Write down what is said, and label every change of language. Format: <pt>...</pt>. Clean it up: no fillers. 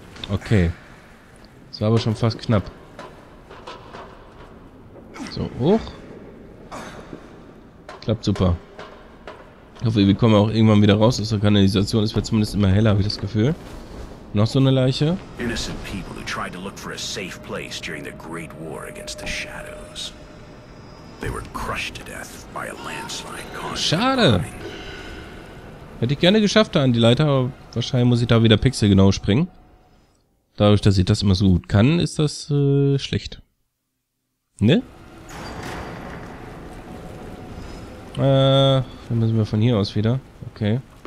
<de>Okay. Das war aber schon fast knapp. So, hoch. Klappt super. Ich hoffe, wir kommen auch irgendwann wieder raus aus der Kanalisation. Es wird zumindest immer heller, habe ich das Gefühl. Noch so eine Leiche.</de> <en>Innocent people who tried to look for a safe place during the Great War against the Shadows. They were crushed to death by a landslide caused.</en> <de>Schade. Hätte ich gerne geschafft da an die Leiter, aber wahrscheinlich muss ich da wieder pixelgenau springen. Dadurch, dass ich das immer so gut kann, ist das schlecht. Ne? Dann müssen wir von hier aus wieder. Okay.</de>